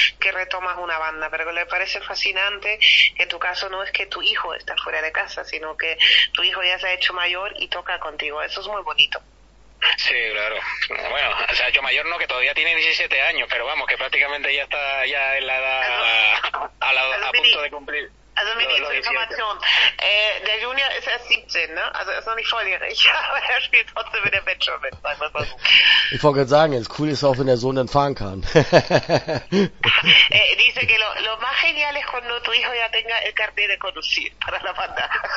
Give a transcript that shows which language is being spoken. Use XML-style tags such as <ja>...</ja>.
<es>Que retomas una banda, pero le parece fascinante que en tu caso no es que tu hijo está fuera de casa, sino que tu hijo ya se ha hecho mayor y toca contigo. Eso es muy bonito. Sí, claro. Bueno, o sea, yo mayor no, que todavía tiene 17 años, pero vamos, que prácticamente ya está ya en la edad a punto de cumplir</es> <de>Also mini,</de> <es>lo</es> <de>Information. Der Junior ist erst 17, ne? Also er ist noch nicht volljährig, aber er spielt trotzdem mit der Bachelor mit. Sagen wir mal so. Ich wollte gerade sagen, jetzt cool ist auch, wenn der Sohn dann fahren kann.</de> <es>Dice que lo más genial es cuando tu hijo ya tenga el carnet de conducir para la banda.</es>